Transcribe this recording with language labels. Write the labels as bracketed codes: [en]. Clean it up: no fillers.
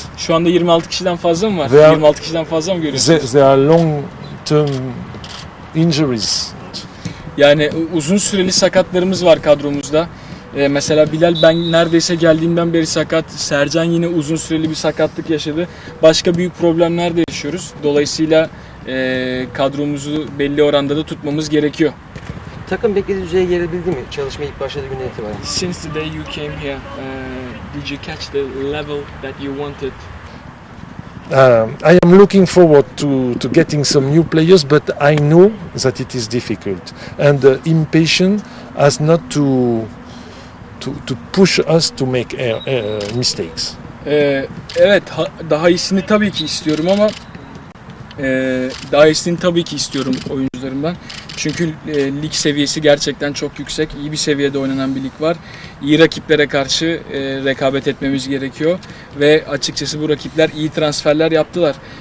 [tr] Şu anda 26 kişiden fazla mı var? Are, 26 kişiden fazla mı görüyorsunuz? [en] There are long term injuries. [tr] Yani uzun süreli sakatlarımız var kadromuzda. Mesela Bilal ben neredeyse geldiğimden beri sakat. Sercan yine uzun süreli bir sakatlık yaşadı. Başka büyük problemler de yaşıyoruz. Dolayısıyla kadromuzu belli oranda da tutmamız gerekiyor. Takım beklediği düzeye gelebildi mi? Çalışma ilk başladığı günden itibaren. [en] Since the day you came here, did you catch the level that you wanted? I am looking forward to getting some new players, but I know that it is difficult. And impatient as not to push us to make mistakes. [tr] Evet, daha iyisini tabii ki istiyorum ama Daha iyisini tabii ki istiyorum oyuncularımdan. Çünkü lig seviyesi gerçekten çok yüksek. İyi bir seviyede oynanan bir lig var. İyi rakiplere karşı rekabet etmemiz gerekiyor. Ve açıkçası bu rakipler iyi transferler yaptılar.